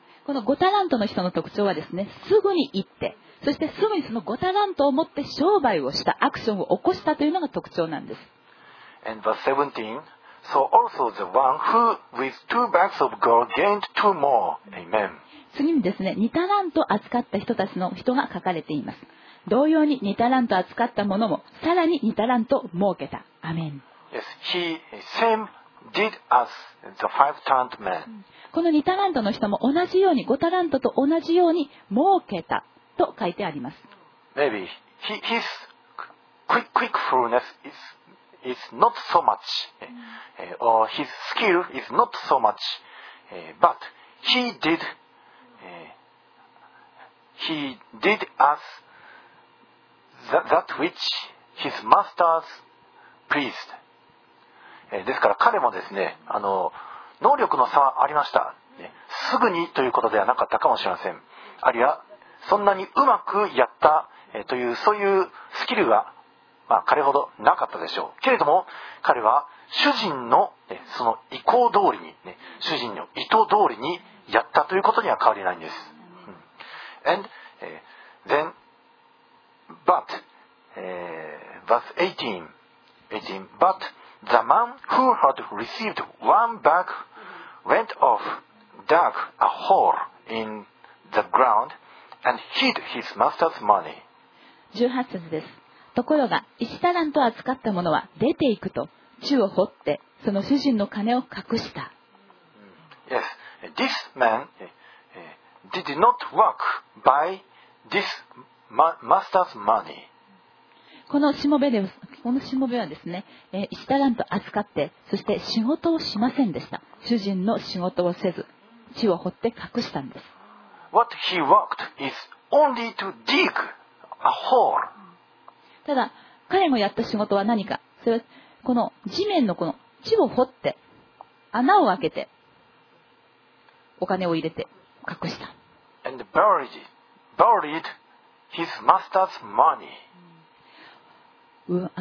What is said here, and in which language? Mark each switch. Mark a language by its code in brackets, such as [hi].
[ja] この5タラントの人の特徴はですね、すぐに行って、そしてすぐにその5タラントを持って商売をした、アクションを起こしたというのが特徴なんです。 [en] And verse 17, so also the one who with two bags of gold gained two more. Amen. [ja] 次にですね、2タラント扱った人たちの人が書かれています。同様に2タラント扱った者もさらに2タラント儲けた。アメン。 [en] Yes, he same did as the five talent man. [ja] この2タラントの人も同じように5タラントと同じように儲けた。と書いてあります。 [en] Maybe his quickfulness is not so much or his skill is not so much but he did He did us that which his masters pleased. [ja] ですから彼もですね、能力の差はありました。すぐにということではなかったかもしれません。あるいはそんなにうまくやったというそういうスキルは、彼ほどなかったでしょう。けれども彼は主人のその意向通りに、主人の意図通りにやったということには変わりないんです。 [en] And then, but, verse 18, but the man who had received one bag went off, dug a hole in the ground, and hid his master's money. [ja] 18節です。ところが、1タラント扱った者は出ていくと、地を掘って、その主人の金を隠した。 [en] Yes, this man... Did not work by this master's money. [ja] このしもべで、このしもべはですね、1タラント扱って、そして仕事をしませんでした。主人の仕事をせず、地を掘って隠したんです。 [en] What he worked is only to dig a hole. [ja] ただ、彼がやった仕事は何か、それはこの地面のこの地を掘って、穴を開けて、お金を入れて、隠した。 [en] And buried his master's money.